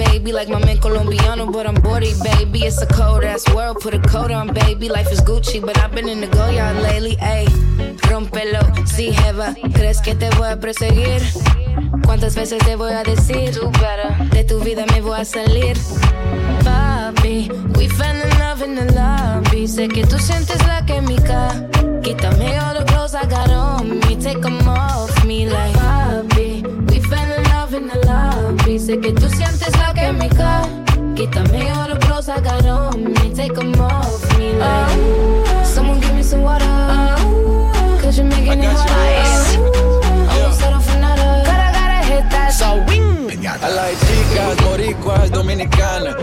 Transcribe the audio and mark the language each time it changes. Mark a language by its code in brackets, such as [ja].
[en] Like my man Colombiano, but I'm bored, baby. It's a cold ass world. Put a coat on, baby. Life is Gucci, but I've been in the Goyard lately. [es] Ay, rompelo, si jeva. ¿Crees que te voy a perseguir? ¿Cuántas veces te voy a decir? [en] Do better. [es] De tu vida me voy a salir. [en] Papi, we fell in love in the lobby. [es] Sé que tú sientes la química. Quítame [en] all the clothes I got on me. Take them off me, like. Papi, we fell in love in the lobby. [es] Sé que tú sientes la química. Quítame [en] all the clothes I got on me. Take them off me, like. Someone give me some water. Cause you're making it hot. So I like [es] chicas, boricuas, dominicanas.